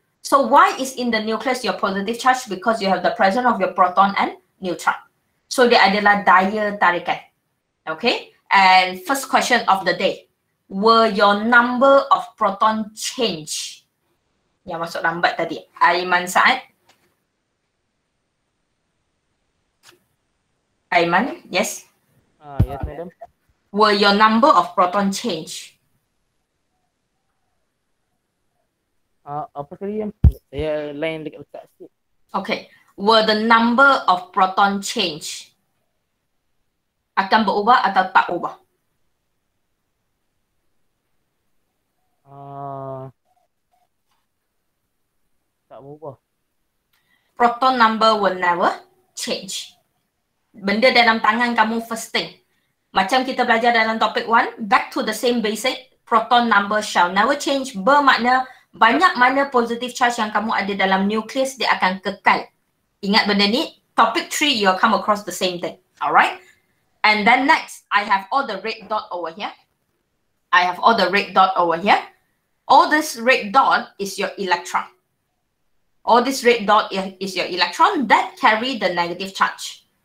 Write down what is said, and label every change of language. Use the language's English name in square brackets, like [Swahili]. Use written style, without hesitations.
[English] So why is in the nucleus your positive charge? Because you have the presence of your proton and neutron. [Malay] So dia adalah daya tarikan. [English] Okay? And first question of the day. Were your number of proton change? [Malay] Yang masuk lambat tadi. [English] Aiman Saad. Aiman, yes? Yes, madam. Were your number of proton change? [Malay] Apa tadi yang lain dekat letak sikit. [English] Okay. Were the number of proton change? [Malay] Akan berubah atau tak ubah? Tak berubah. [English] Proton number will never change. [Malay] Benda dalam tangan kamu [English] first thing. [Malay] Macam kita belajar dalam topik 1, [English] back to the same basic, proton number shall never change. [Malay] Bermakna banyak mana positive charge yang kamu ada dalam nucleus, dia akan kekal. Ingat benda ni, [English] topic 3, you'll come across the same thing. Alright? And then next, I have all the red dot over here. I have all the red dot over here. All this red dot is your electron. All this red dot is your electron that carry the negative charge.